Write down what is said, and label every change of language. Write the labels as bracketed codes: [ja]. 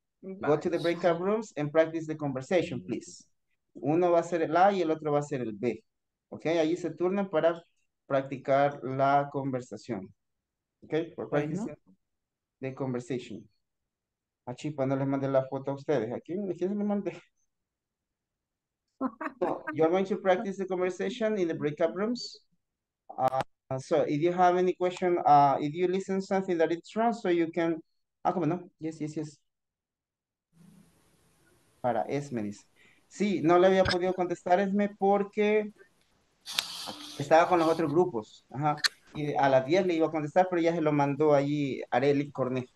[en] Go to the breakout rooms and practice the conversation, please. [es] Uno va a ser el A y el otro va a ser el B. Ok, allí se turnan para practicar la conversación. [en] Ok, for practicing the conversation. [es] A Chipa no les mandé la foto a ustedes. ¿A quién se le mandé? [en] So, you're going to practice the conversation in the breakout rooms. So, if you have any question, if you listen something that is wrong, so you can... [es] Ah, ¿cómo no? [en] Yes, yes, yes. [es] Para Esme, dice. Sí, no le había podido contestar Esme porque estaba con los otros grupos. Ajá. Y a las 10 le iba a contestar, pero ya se lo mandó allí Arely Cornejo.